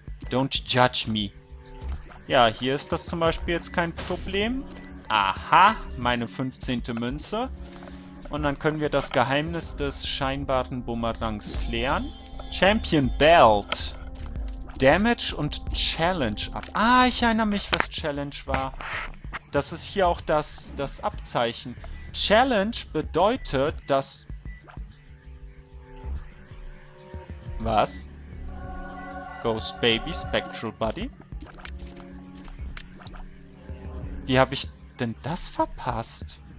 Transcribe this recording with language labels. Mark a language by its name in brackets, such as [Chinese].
[English] Don't judge me. [German] Ja, hier ist das zum Beispiel jetzt kein Problem. Aha, meine 15. Münze. Und dann können wir das Geheimnis des scheinbaren Bumerangs klären. Champion Belt. Damage und Challenge ab. Ah, ich erinnere mich, was Challenge war. Das ist hier auch das Abzeichen. Challenge bedeutet, dass... Was? Ghost Baby Spectral Buddy? Wie habe ich denn das verpasst?